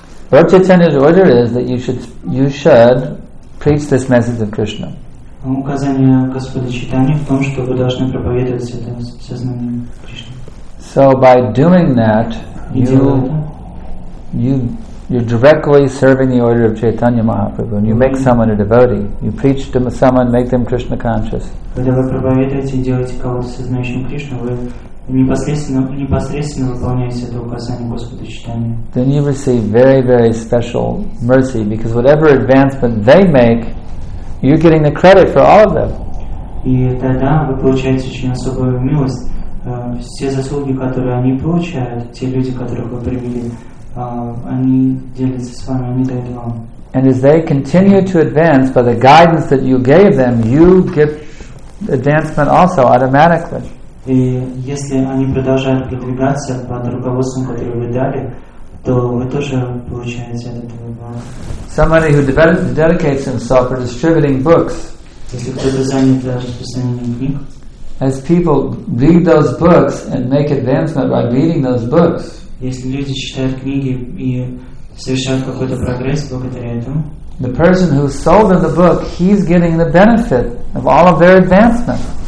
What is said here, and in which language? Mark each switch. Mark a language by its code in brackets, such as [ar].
[en] Lord Chaitanya's order is that you should preach this message of Krishna. [ru] Указание Господа Чайтаньи в том, что вы должны проповедовать это сознание Кришны. [en] So by doing that, you're directly serving the order of Chaitanya Mahaprabhu. And you make someone a devotee. You preach to someone, make them Krishna conscious. [ru] Когда вы проповедуете и делаете кого-то сознающим Кришну, вы непосредственно выполняете это указание Господа Чайтаньи. [en] Then you receive very, very special mercy, because whatever advancement they make, you're getting the credit for all of them. [ru] И тогда вы получаете очень особую милость. Все заслуги, которые они получают, те люди, которых вы привели, они делятся с вами, они дают вам. [en] And as they continue to advance by the guidance that you gave them, you get advancement also automatically. [ru] И если они продолжают продвигаться под руководством, которое вы дали, то вы тоже получаете от этого. [en] Somebody who dedicates himself for distributing books. [ru] Если кто-то занят расписанием книг. [en] As people read those books and make advancement by reading those books, [ru] если люди читают книги и совершают какой-то прогресс благодаря этому, [en] the person who sold them the book, he's getting the benefit of all of their advancement.